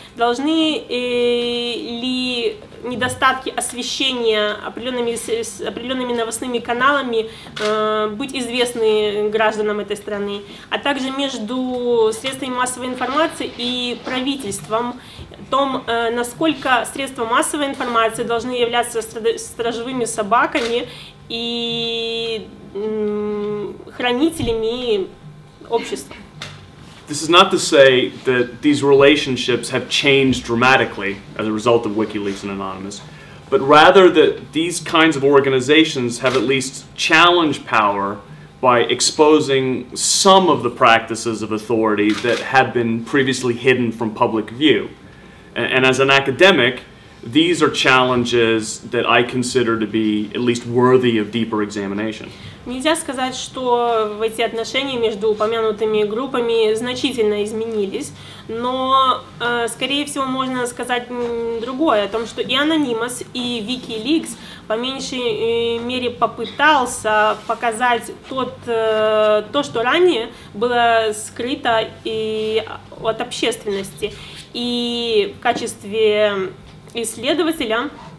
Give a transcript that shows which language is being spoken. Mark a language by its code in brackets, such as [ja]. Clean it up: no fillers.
[ru] Должны ли недостатки освещения определенными новостными каналами быть известны гражданам этой страны, а также между средствами массовой информации и правительством, о том, насколько средства массовой информации должны являться сторожевыми собаками и хранителями общества. [en] This is not to say that these relationships have changed dramatically as a result of WikiLeaks and Anonymous, but rather that these kinds of organizations have at least challenged power by exposing some of the practices of authority that had been previously hidden from public view. And as an academic, these are challenges that I consider to be at least worthy of deeper examination. [ru] Нельзя сказать, что в эти отношения между упомянутыми группами значительно изменились, но, скорее всего, можно сказать другое, о том, что и Anonymous, и WikiLeaks по меньшей мере попытался показать то, что ранее было скрыто и от общественности, и в качестве исследователя